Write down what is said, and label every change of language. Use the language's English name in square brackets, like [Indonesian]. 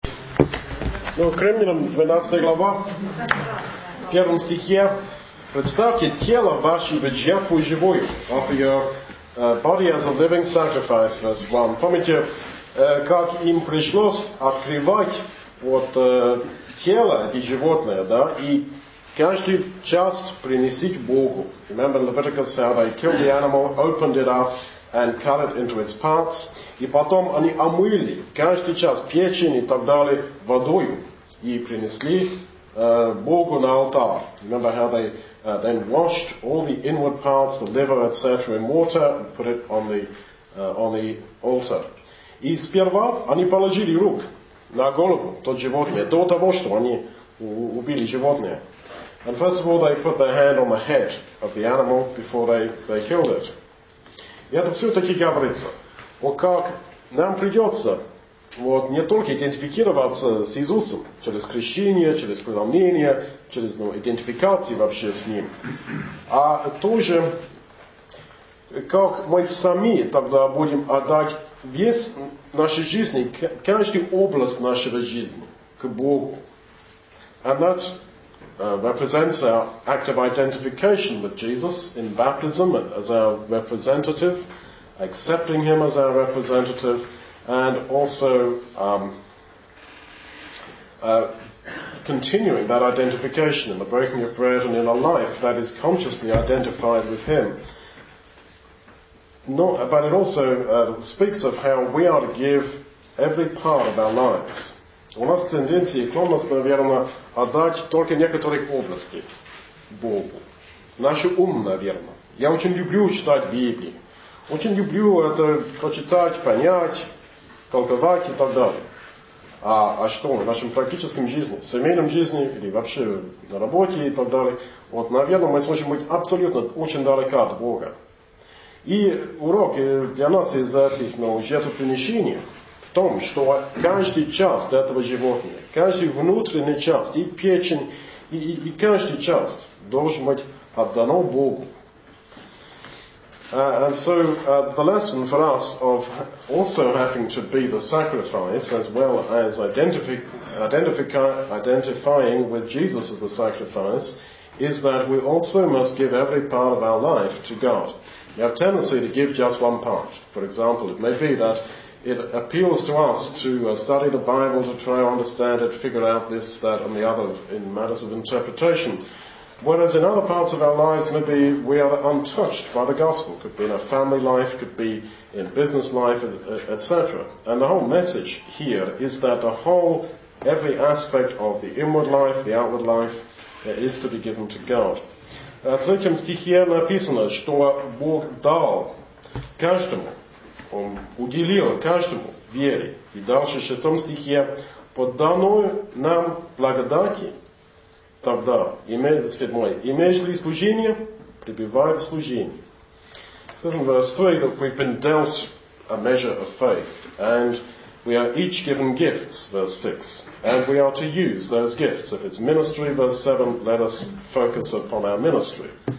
[Russian] Но в Римлянам 12 глава, в первом стихе, представьте тело ваше в жертву живую. [English] Offer your body as a living sacrifice, verse 1. [Russian] Помните, как им пришлось открывать вот тело, эти животные, да, и каждую часть принесить Богу. [English] Remember Leviticus, how they killed the animal, opened it up, and cut it into its parts. [Russian] И потом они омыли каждую часть, печень и так далее, водою, и принесли Богу на алтарь. [English] Remember how they then washed all the inward parts, the liver, etc., in water, and put it on the altar. [Russian] И сперва они положили рук на голову тот животное, до того, что они убили животное. [English] And first of all, they put their hand on the head of the animal before they killed it. [Russian] И это все-таки говорится. Вот как нам придется вот, не только идентифицироваться с Иисусом через крещение, через преломление, через ну, идентификацию вообще с Ним, а тоже как мы сами тогда будем отдать весь нашей жизни, каждую область нашего жизни к Богу. [English] And that represents our act of identification with Jesus in baptism as our representative, accepting Him as our representative, and also continuing that identification in the breaking of bread and in a life that is consciously identified with Him. Not, but it also speaks of how we are to give every part of our lives. [Russian] У нас тенденция, склонность, наверное, отдать только некоторых областей Богу. Наш ум, наверное. Я очень люблю читать Библию. Очень люблю это прочитать, понять, толковать и так далее. А что в нашем практическом жизни, в семейном жизни или вообще на работе и так далее. Вот, наверное, мы сможем быть абсолютно очень далеко от Бога. И урок для нас из этих жертвоприношений в том, что каждая часть этого животного, каждая внутренняя часть, и печень, и каждая часть должна быть отдана Богу. [English] And so the lesson for us of also having to be the sacrifice as well as identifying with Jesus as the sacrifice is that we also must give every part of our life to God. We have a tendency to give just one part. For example, it may be that it appeals to us to study the Bible, to try to understand it, figure out this, that, and the other in matters of interpretation. Whereas in other parts of our lives, maybe we are untouched by the gospel. Could be in our family life, could be in business life, etc. And the whole message here is that the whole, every aspect of the inward life, the outward life, is to be given to God. [Russian] В третьем стихе написано, что Бог дал каждому, Он уделил каждому вере. И дальше в шестом стихе, по данной нам благодати, тогда, седьмой, имеешь ли служение, пребывай в служении. [English] It says in verse 3 that we've been dealt a measure of faith, and we are each given gifts, verse 6, and we are to use those gifts. If it's ministry, verse 7, let us focus upon our ministry.